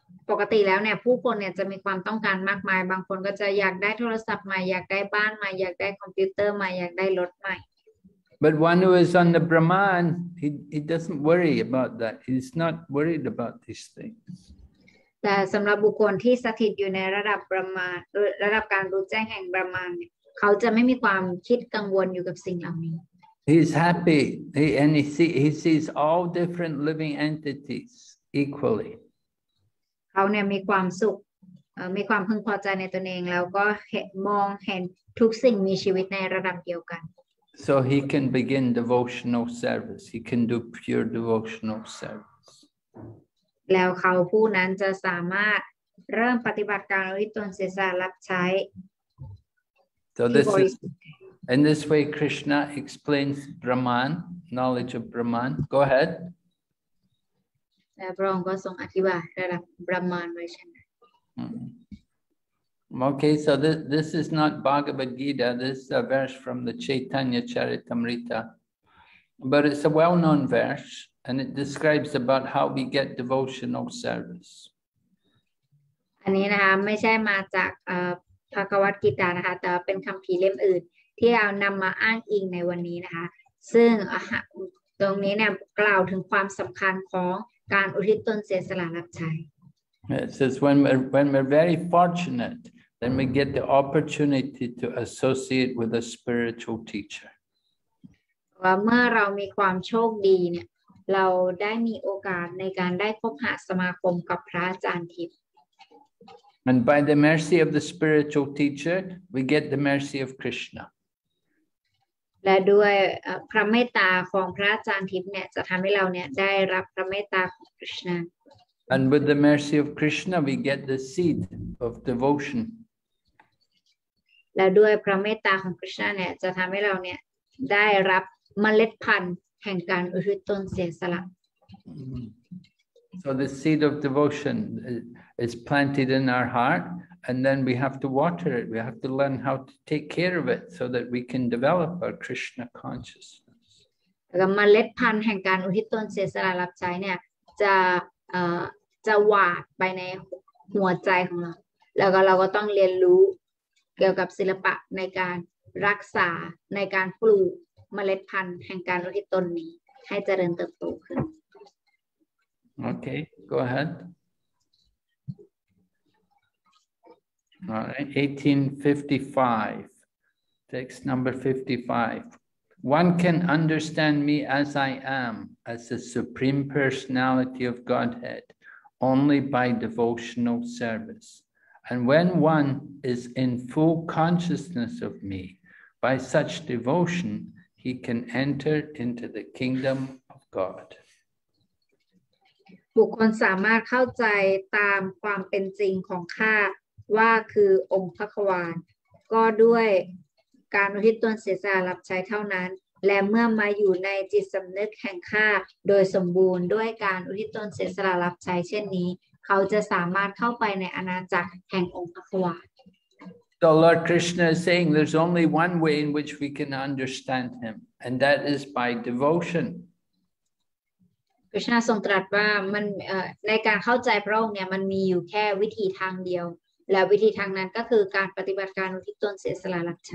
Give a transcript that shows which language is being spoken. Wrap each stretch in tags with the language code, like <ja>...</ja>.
<th>ปกติแล้วเนี่ยผู้คนเนี่ยจะมีความต้องการมากมายบางคนก็จะอยากได้โทรศัพท์ใหม่อยากได้บ้านใหม่อยากได้คอมพิวเตอร์ใหม่อยากได้รถใหม่</th> <en>But one who is on the Brahman he doesn't worry about that he's not worried about these things</en> <th>แต่สำหรับบุคคลที่สถิตอยู่ในระดับบรมาระดับการรู้แจ้งแห่งบรมานเขาจะไม่มีความคิดกังวลอยู่กับสิ่งเหล่านี้</th> <en>He's happy he sees all different living entities equally</en> <th>เขาเนี่ยมีความสุขมีความพึงพอใจในตนเองแล้วก็มองเห็นทุกสิ่งมีชีวิตในระดับเดียวกัน</th> <en>So he can begin devotional service he can do pure devotional service</en> <th>แล้วเขาผู้นั้นจะสามารถเริ่มปฏิบัติการอุทิศตนเสียสละรับใช้</th> <en>So this is in this way Krishna explains Brahman knowledge of Brahman go ahead</en> <th>และพระองค์ก็ทรงอธิบายระดับบรมานไว้เช่นนั้น</th> <en>Okay, so this is not Bhagavad Gita. This is a verse from the Chaitanya Charitamrita. But it's a well-known verse, and it describes about how we get devotional service.</en> <th>อันนี้นะคะไม่ใช่มาจากภควัตกีตานะคะแต่เป็นคัมภีร์เล่มอื่นที่เอานำมาอ้างอิงในวันนี้นะคะซึ่งตรงนี้เนี่ยกล่าวถึงความสำคัญของการอุทิศตนเสียสละรับใช้</th> <en>It says when we're very fortunate then we get the opportunity to associate with a spiritual teacher</en> <th>ว่าเมื่อเรามีความโชคดีเนี่ยเราได้มีโอกาสในการได้คบหาสมาคมกับพระอาจารย์ทิพย์</th> <en>And by the mercy of the spiritual teacher we get the mercy of Krishna</en> <th>และด้วยพระเมตตาของพระอาจารย์ทิพย์เนี่ยจะทำให้เราเนี่ยได้รับพระเมตตาของคริชนา</th> <en>And with the mercy of Krishna we get the seed of devotion</en> <th>และด้วยพระเมตตาของคริชนาเนี่ยจะทำให้เราเนี่ยได้รับเมล็ดพันธุ์แห่งการอุทิศตนเสียสละ</th> <en>So the seed of devotion is planted in our heart And then we have to water it. We have to learn how to take care of it so that we can develop our Krishna consciousness.</en> <th>เมล็ดพันธุ์แห่งการอุทิศตนเสียสละรับใช้เนี่ยจะหว่านไปในหัวใจของเราแล้วก็เราก็ต้องเรียนรู้เกี่ยวกับศิลปะในการรักษาในการปลูกเมล็ดพันธุ์แห่งการอุทิศตนนี้ให้เจริญเติบโตขึ้น</th> <en>Okay, go ahead. All right, 1855, text number 55. One can understand me as I am, as the Supreme Personality of Godhead, only by devotional service. And when one is in full consciousness of me, by such devotion, he can enter into the kingdom of God.</en> <th>บุคคลสามารถเข้าใจตามความเป็นจริงของข้าว่าคือองค์พระควานก็ด้วย การอุทิศตนเสียสละรับใช้เท่านั้นและเมื่อมาอยู่ในจิตสำนึกแห่งข้าโดยสมบูรณ์ด้วยการอุทิศตนเสียสละรับใช้เช่นนี้เขาจะสามารถเข้าไปในอาณาจักรแห่งองค์พระผู้</th> <en>The Lord Krishna is saying there's only one way in which we can understand him, and that is by devotion.</en> <th>Krishna ทรงตรัสว่าในการเข้าใจพระองค์เนี่ยมันมีอยู่แค่วิธีทางเดียวและวิธีทางนั้นก็คือการปฏิบัติการอุทิศตนเสียสละรับใช</th>